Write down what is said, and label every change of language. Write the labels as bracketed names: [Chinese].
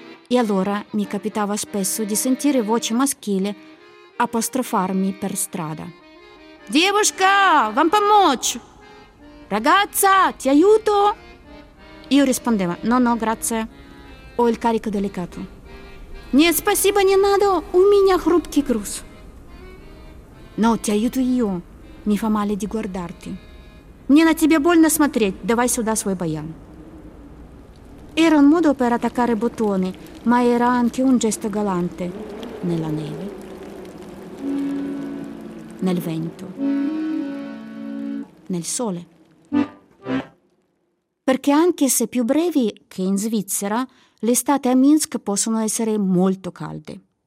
[Italian] E allora mi capitava spesso di sentire voce maschile apostrofarmi per strada. [Russian] «Девушка, вам помочь!» [Italian] «Ragazza, ti aiuto!» Io rispondevo: «No, no, grazie, ho il carico delicato». [Russian] «Не, спасибо, не надо, у меня хрупкий груз». [Italian] «No, ti aiuto io, mi fa male di guardarti». [Russian] «Мне на тебя больно смотреть, давай сюда свой баян». [Italian] Era un modo per attaccare bottoni, ma era anche un gesto galante nella neve, nel vento, nel sole. Perché anche se più brevi che in Svizzera, le estate a Minsk possono essere molto calde.